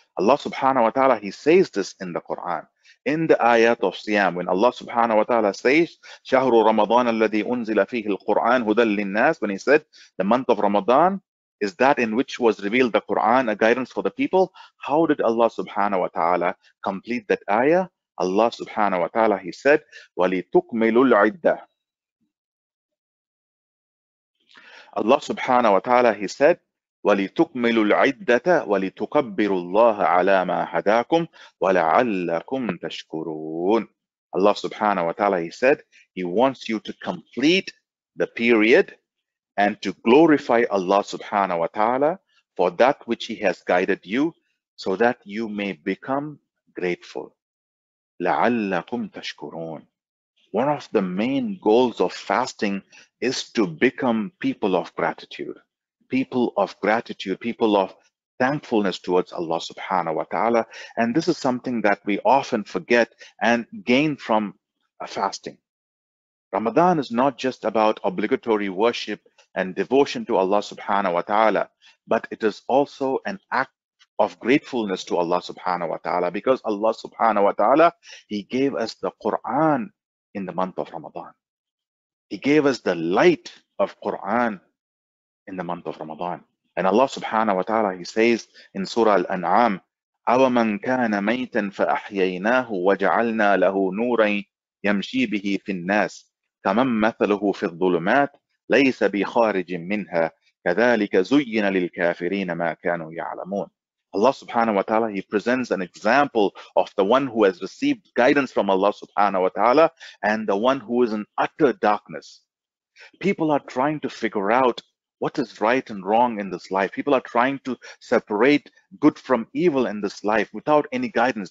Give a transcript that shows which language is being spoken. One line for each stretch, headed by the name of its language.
English: Allah subhanahu wa ta'ala, he says this in the Quran. In the ayat of Siyam, when Allah subhanahu wa ta'ala says,
Arabic: شهر رمضان الذي أنزل فيه القرآن هدى للناس,
English: when he said, the month of Ramadan is that in which was revealed the Quran, a guidance for the people. How did Allah subhanahu wa ta'ala complete that ayah? Allah subhanahu wa ta'ala, he said,
Arabic: وَلِتُكْمِلُوا الْعِدَّةِ.
English: Allah subhanahu wa ta'ala, he said,
Arabic: وَلِتُكْمِلُوا الْعِدَّةَ وَلِتُكَبِّرُوا اللَّهَ عَلَى مَا هَدَاكُمْ وَلَعَلَّكُمْ تَشْكُرُونَ.
English: Allah subhanahu wa ta'ala, he said, he wants you to complete the period and to glorify Allah subhanahu wa ta'ala for that which he has guided you, so that you may become grateful.
Arabic: لَعَلَّكُمْ تَشْكُرُونَ.
English: One of the main goals of fasting is to become people of gratitude. People of gratitude, people of thankfulness towards Allah subhanahu wa ta'ala. And this is something that we often forget and gain from a fasting. Ramadan is not just about obligatory worship and devotion to Allah subhanahu wa ta'ala, but it is also an act of gratefulness to Allah subhanahu wa ta'ala, because Allah subhanahu wa ta'ala, he gave us the Quran in the month of Ramadan. He gave us the light of Quran in the month of Ramadan. And Allah subhanahu wa ta'ala, he says in Surah Al-An'am,
Arabic: أَوَمَنْ كَانَ مَيْتًا فَأَحْيَيْنَاهُ وَجَعَلْنَا لَهُ نُورًا يَمْشِي بِهِ فِي النَّاسِ كَمَنْ مَثَلُهُ فِي الظُّلُمَاتِ لَيْسَ بِخَارِجٍ مِّنْهَا كَذَلِكَ زُيِّنَ لِلْكَافِرِينَ مَا كَانُوا يَعْلَمُونَ.
English: Allah subhanahu wa ta'ala, he presents an example of the one who has received guidance from Allah subhanahu wa ta'ala and the one who is in utter darkness. People are trying to figure out what is right and wrong in this life. People are trying to separate good from evil in this life without any guidance.